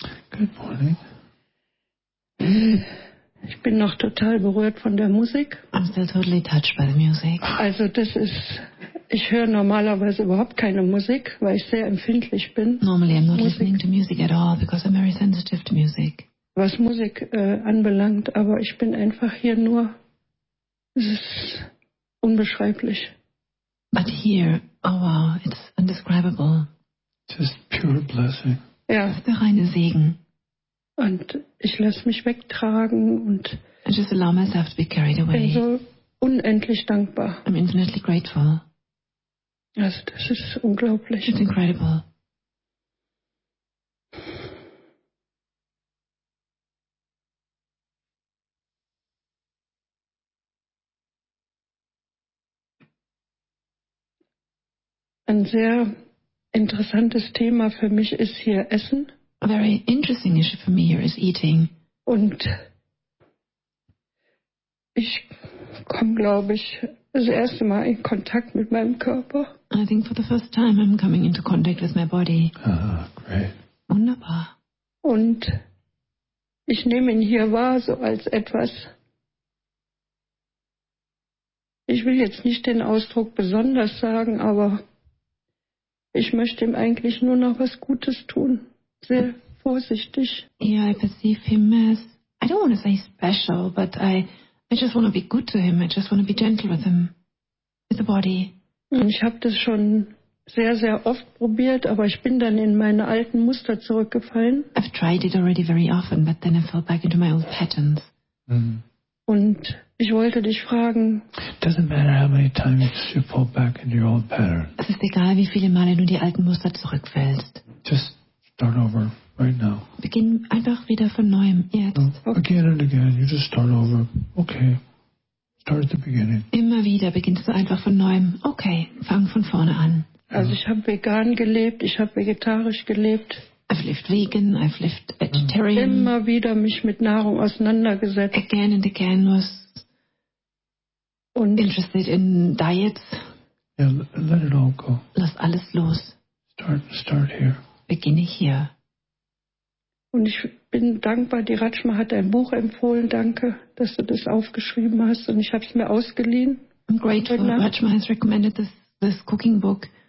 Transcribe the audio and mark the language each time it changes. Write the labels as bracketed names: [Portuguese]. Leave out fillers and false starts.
[English] Good morning. [German] Ich bin noch total berührt von der Musik. [English] I'm still totally touched by the music. [German] Also das ist, ich höre normalerweise überhaupt keine Musik, weil ich sehr empfindlich bin. [English] Normally I'm not listening to music at all because I'm very sensitive to music. [German] Was Musik anbelangt, aber ich bin einfach hier nur, es ist unbeschreiblich. [English] But here, oh wow, it's indescribable. Just pure blessing. [German] Ja. Das ist der reine Segen. Und ich lasse mich wegtragen und [English] I just allow myself to be carried away. [German] Bin so unendlich dankbar. [English] I'm infinitely grateful. [German] Also das ist unglaublich. [English] It's incredible. [German] Ein sehr interessantes Thema für mich ist hier Essen. [English] A very interesting issue for me here is eating. [German] Und ich komme, glaube ich, das erste Mal in Kontakt mit meinem Körper. [English] I think for the first time I'm coming into contact with my body. Great. [German] Wunderbar. Und ich nehme ihn hier wahr, so als etwas. Ich will jetzt nicht den Ausdruck besonders sagen, aber ich möchte ihm eigentlich nur noch was Gutes tun. Sehr vorsichtig. [English] Yeah, I perceive him as, I don't want to say special, but I just want to be good to him. I just want to be gentle with him, with the body. [German] Und ich habe das schon sehr, sehr oft probiert, aber ich bin dann in meine alten Muster zurückgefallen. [English] I've tried it already very often, but then I fell back into my old patterns. Mm-hmm. [German] Und ich wollte dich fragen. [English] It doesn't matter how many times you fall back into your old pattern. [German] Es ist egal, wie viele Male du die alten Muster zurückfällst. [English] Just start over right now. [German] Beginn einfach wieder von neuem jetzt. [English] No, again and again, you just start over. Okay, start at the beginning. [German] Immer wieder beginnst du einfach von neuem. Okay, fang von vorne an. Also ich habe vegan gelebt, ich habe vegetarisch gelebt. [English] I've lived vegan, I've lived vegetarian. [German] Immer wieder mich mit Nahrung auseinandergesetzt. [English] Again and again was interested in diets. Yeah, let it all go. [German] Lass alles los. [English] Start here. [German] Beginne hier. Und ich bin dankbar, die Rajma hat ein Buch empfohlen, danke, dass du das aufgeschrieben hast und ich habe es mir ausgeliehen. [English] I'm grateful, Rajma has recommended this cooking book.